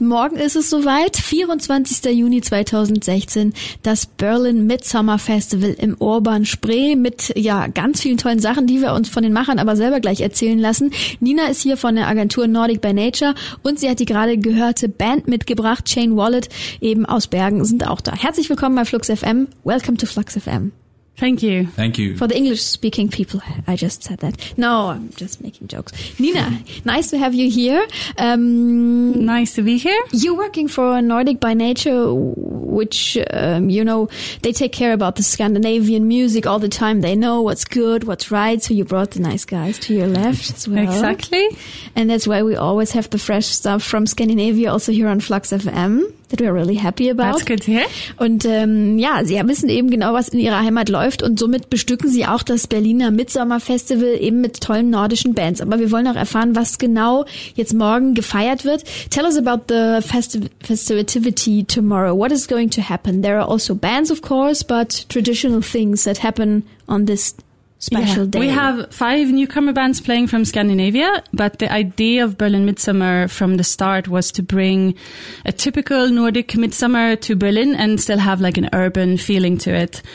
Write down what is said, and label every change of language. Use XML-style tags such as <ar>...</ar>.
<de>Morgen ist es soweit, 24. Juni 2016, das Berlin Midsommer Festival im Urban Spree mit ja ganz vielen tollen Sachen, die wir uns von den Machern aber selber gleich erzählen lassen. Nina ist hier von der Agentur Nordic by Nature und sie hat die gerade gehörte Band mitgebracht, Shane Wallet, eben aus Bergen, sind auch da. Herzlich willkommen bei Flux FM.</de> <en>Welcome to Flux FM. Thank you. Thank you. For the English-speaking people, I just said that. No, I'm just making jokes. Nina, nice to have you here. Nice to be here. You're working for Nordic by Nature, which, you know, they take care about the Scandinavian music all the time. They know what's good, what's right. So you brought the nice guys to your left as well. Exactly. And that's why we always have the fresh stuff from Scandinavia also here on Flux FM. That we're really happy about. That's good to hear.</en> <de>Und ja, sie wissen eben genau, was in ihrer Heimat läuft und somit bestücken sie auch das Berliner Midsommerfestival eben mit tollen nordischen Bands. Aber wir wollen auch erfahren, was genau jetzt morgen gefeiert wird.</de> <en>Tell us about the festivity tomorrow. What is going to happen? There are also bands, of course, but traditional things that happen on this special day. We have 5 newcomer bands playing from Scandinavia, but the idea of Berlin Midsummer from the start was to bring a typical Nordic midsummer to Berlin and still have like an urban feeling to it.</en>